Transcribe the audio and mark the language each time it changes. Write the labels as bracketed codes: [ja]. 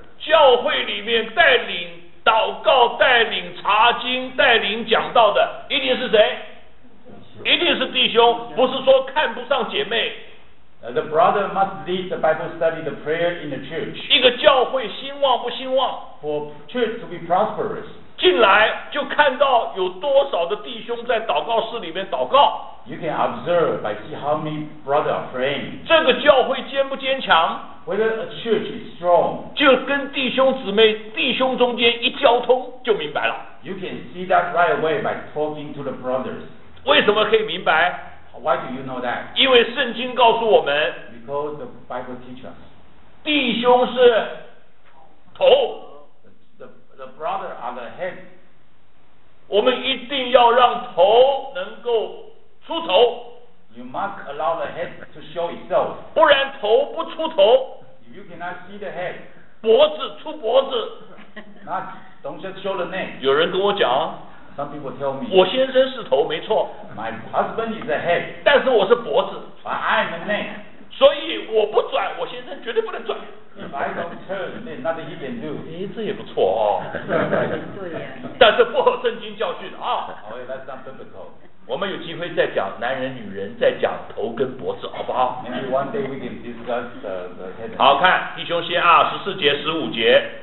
[zh] 教会里面带领祷告、带领查经、带领讲道的，一定是谁？一定是弟兄，不是说看不上姐妹。 [en] The brother must lead the Bible study, the prayer in the church. [zh] 一个教会兴旺不兴旺 [en] ？For church to be prosperous. [zh] 进来就看到有多少的弟兄在祷告室里面祷告。 [en] You can observe by see how many brothers are praying. [zh] 这个教会坚不坚强？ [en] Whether a church is strong, [zh] 就跟弟兄姊妹弟兄中间一交通就明白了 [en] You can see that right away by talking to the brothers. [zh] 为什么可以明白 [en] Why do you know that? [zh] 因为圣经告诉我们 [en] Because the Bible teaches us. [zh] 弟兄是头 [en] The brother are the head. [zh] 我们一定要让头能够出头 [en] You must allow the head to show itself. [zh] 不然头不出头 [en] If you cannot see the head, [zh] 脖子出脖子。 [en] Not, don't just show the neck. [zh] 有人跟我讲。 [en] Some people tell me. [zh] 我先生是头，没错。 [en] My husband is the head. [zh] 但是我是脖子。 [en] But I'm the neck. [zh] 所以我不转，我先生绝对不能转。 [en] If I don't turn, then nothing he can do. [zh] 哎，这也不错哦。对呀。但是不合圣经教训啊。 [en] Okay, that's not biblical. [zh] 我们有机会再讲男人女人，再讲头跟脖子，好不好？ [en] Maybe one day we can discuss the head. [zh] 好看，弟兄先啊，十四节、十五节。